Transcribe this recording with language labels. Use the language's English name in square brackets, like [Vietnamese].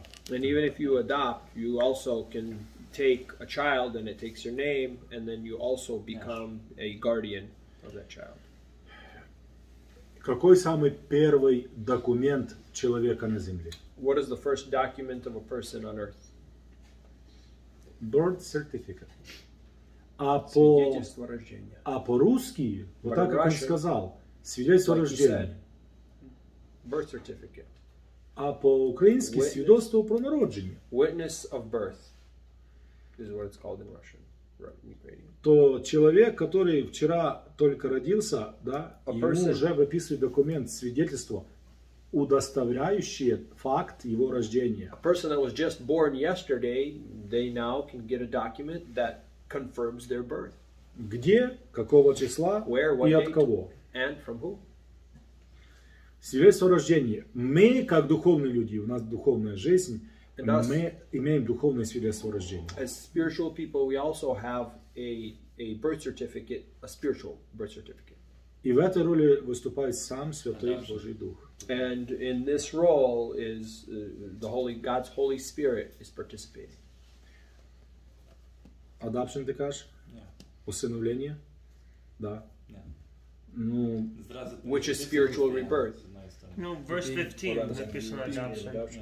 [English] And even if you adopt, you also can take a child and it takes your name, and then you also become a guardian of that child. [Russian] Какой самый первый документ человека на земле? [English] What is the first document of a person on earth? Birth certificate. [Russian] Свидетельство рождения. А по-русски, вот так как он сказал, свидетельство рождения. [English] Birth certificate. [Ukrainian] А по-українськи witness, свідоцтво про народження. [English] Witness of birth is what it's called in Russian. Right, in Ukrainian. [Ukrainian] То чоловік, який вчора тільки родився, да, йому вже виписує документ, свідчення, удостоверяюще факт його рождення. [English] A person that was just born yesterday, they now can get a document that confirms their birth. [Russian] Где, какого числа, [English] where, [Ukrainian] і від кого? [English] And from who? [Russian] Свидетельство рождения. Мы, как духовные люди, у нас духовная жизнь, [English] us, [Russian] мы имеем духовное свидетельство рождения. [English] As spiritual people, we also have a birth certificate, a spiritual birth certificate. [Russian] И в этой роли выступает сам Святой Божий Дух. [English] And in this role is the Holy, God's Holy Spirit is participating. [Ukrainian] Adoption, ты кажешь? [English] Yeah. [Russian] Усыновление? Да. Ну, [English] which is spiritual rebirth. No, verse 15 [Russian] написано [English] adoption.